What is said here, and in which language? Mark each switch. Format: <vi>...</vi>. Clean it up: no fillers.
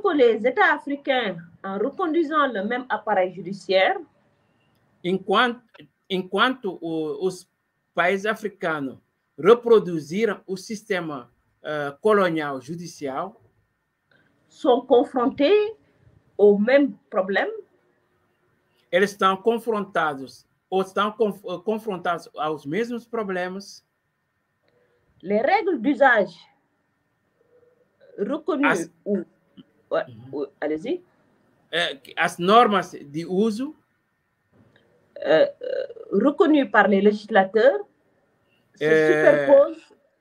<fr>que les États africains, en reconduisant le même appareil judiciaire,</fr> <pt>enquanto os países africanos reproduziram o sistema colonial judicial,</pt> <fr>sont confrontés au même problème.</fr> <pt>Eles estão confrontados ou estão confrontados aos mesmos problemas.</pt> <fr>Les règles d'usage reconnues allez-y.</fr> <pt>As normas de uso</pt> <fr>reconnues par les législateurs se superposent.</fr>